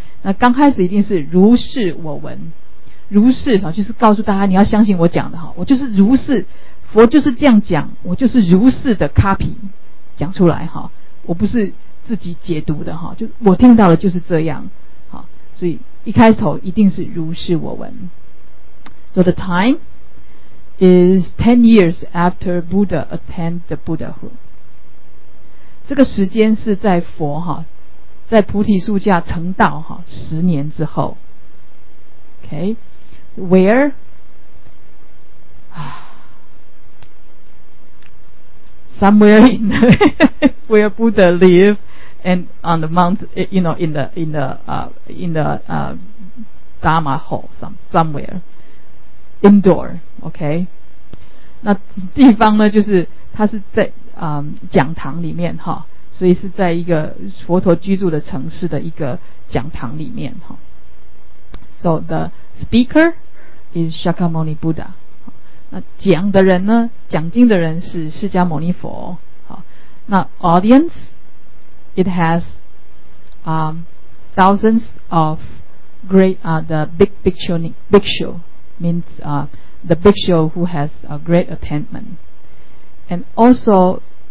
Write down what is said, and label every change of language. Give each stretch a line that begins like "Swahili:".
Chinese: 那刚开始一定是如是我闻，如是就是告诉大家你要相信我讲的，我就是如是，佛就是这样讲，我就是如是的 copy 讲出来，我不是自己解读的，就我听到的就是这样。好，所以一开头一定是如是我闻。
English: So the time is 10 years after Buddha attained the Buddhahood.
Chinese: 这个时间是在佛在菩提树下成道十年之后。
English: Okay, where somewhere in the where Buddha live and on the mount, you know, in the Dharma hall somewhere indoor, okay?
Chinese: 那地方呢，就是它是在讲堂里面哈，所以是在一个佛陀居住的城市的一个讲堂里面哈。
English: So the speaker is Shakyamuni Buddha.
Chinese: 那讲的人呢，讲经的人是释迦牟尼佛。
English: 那 audience, it has thousands of great the big bhikshu means the bhikshu who has a great attainment, and also